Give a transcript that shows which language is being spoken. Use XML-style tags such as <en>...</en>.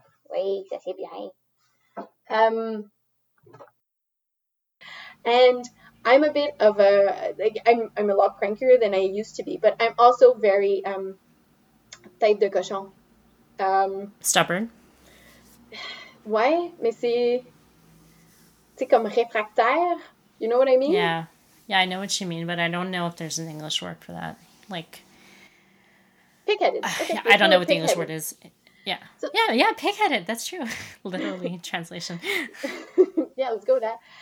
<en>Wait, I stay behind. And I'm a bit of a, like, I'm a lot crankier than I used to be, but I'm also very,</en> <fr>type de cochon.</fr> <en>Stubborn.</en> <fr>Ouais, mais c'est comme réfractaire.</fr> <en>You know what I mean? Yeah. Yeah, I know what you mean, but I don't know if there's an English word for that. Like, pig-headed. Okay, I don't know what pig-headed. The English word is. Yeah. So, yeah, pig-headed. That's true. Literally, translation. Yeah, let's go with that.</en>